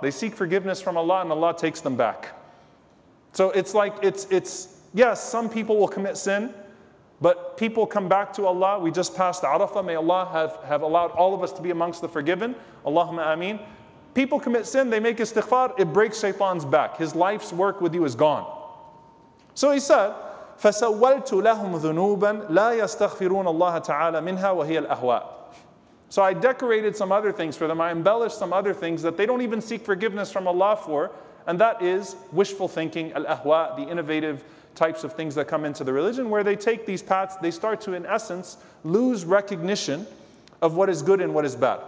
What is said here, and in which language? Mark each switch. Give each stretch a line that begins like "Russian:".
English: They seek forgiveness from Allah and Allah takes them back. So it's like, it's yes, some people will commit sin, but people come back to Allah. We just passed Arafah. May Allah have allowed all of us to be amongst the forgiven. Allahumma ameen. People commit sin, they make istighfar, it breaks shaytan's back. His life's work with you is gone. So he said,
Arabic: فَسَوَّلْتُ لَهُمْ ذُنُوبًا لَا يَسْتَغْفِرُونَ اللَّهَ تَعَالَى مِنْهَا وَهِيَ الْأَهْوَاءِ.
English: So I decorated some other things for them, I embellished some other things that they don't even seek forgiveness from Allah for, and that is wishful thinking, al-ahwa, the innovative types of things that come into the religion, where they take these paths, they start to, in essence, lose recognition of what is good and what is bad.